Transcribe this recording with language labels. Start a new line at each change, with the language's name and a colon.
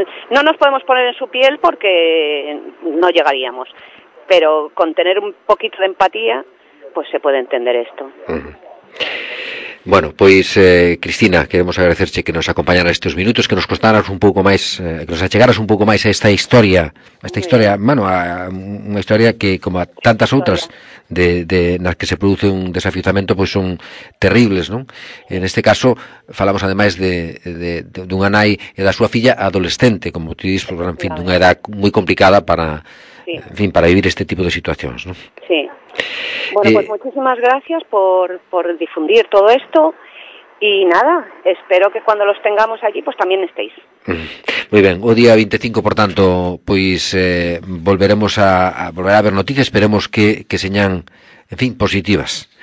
Spanish: No nos podemos poner en su piel porque no llegaríamos, pero con tener un poquito de empatía, pues se puede entender esto.
Galician: Bueno, pois, Cristina, queremos agradecerche que nos acompañara estes minutos, que nos costaras un pouco máis, que nos achegaras un pouco máis a esta historia, a unha historia que, como a tantas outras de nas que se produce un desafiuzamento, pois son terribles, non? En este caso, falamos ademais dunha nai e da súa filla adolescente, como tú dís, por gran fin, dunha edad moi complicada para, en fin, para vivir este tipo de situacións, non? Sí.
Spanish: Bueno, pues muchísimas gracias por difundir todo esto, y nada, espero que cuando los tengamos allí, pues también estéis. Muy bien,
Galician: o día 25, por tanto, pues volveremos a ver noticias, esperemos que señan, en fin, positivas.